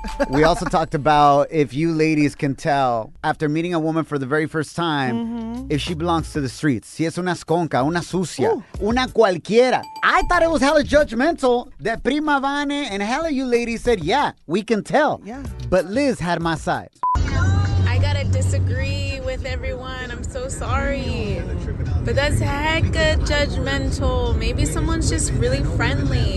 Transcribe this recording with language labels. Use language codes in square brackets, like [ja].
[en] We also talked about if you ladies can tell, after meeting a woman for the very first time, if she belongs to the streets. [es] Si es una esconca, una sucia, una cualquiera. [en] I thought it was hella judgmental that Prima Vane and hella you ladies said, yeah, we can tell. Yeah. But Liz had my side. I gotta disagree with everyone. I'm so sorry. But that's hecka judgmental. Maybe someone's just really friendly.